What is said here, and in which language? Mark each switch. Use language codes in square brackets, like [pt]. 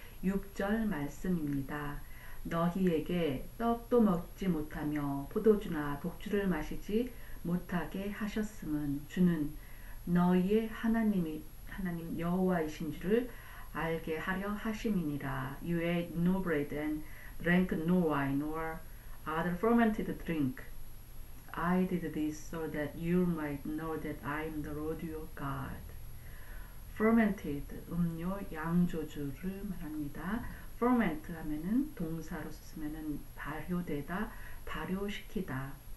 [ko] 6절 말씀입니다. 너희에게 떡도 먹지 못하며 포도주나 독주를 마시지 못하게 하셨음은 주는 너희의 하나님 여호와이신 줄을 알게 하려 하심이니라. [en] You ate no bread and drank no wine or other fermented drink. I did this so that you might know that I am the Lord your God. [ko] Fermented 음료 양조주를 말합니다. Ferment 하면은 동사로 쓰면은 발효되다, 발효시키다입니다.